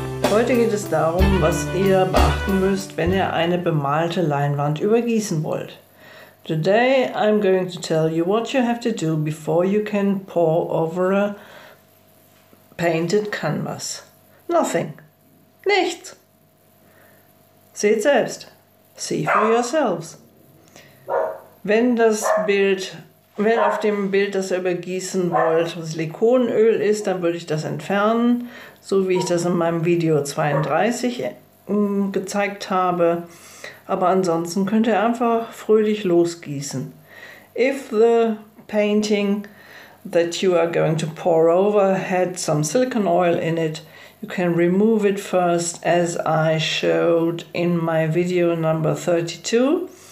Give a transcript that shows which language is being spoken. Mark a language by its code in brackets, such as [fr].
[de] Heute geht es darum, was ihr beachten müsst, wenn ihr eine bemalte Leinwand übergießen wollt. [en] Today I'm going to tell you what you have to do before you can pour over a painted canvas. Nothing. [de] Nichts. Seht selbst. [en] See for yourselves. [de] Wenn auf dem Bild, das ihr übergießen wollt, Silikonöl ist, dann würde ich das entfernen, so wie ich das in meinem Video 32 gezeigt habe. Aber ansonsten könnt ihr einfach fröhlich losgießen. [en] If the painting that you are going to pour over had some silicone oil in it, you can remove it first, as I showed in my video number 32.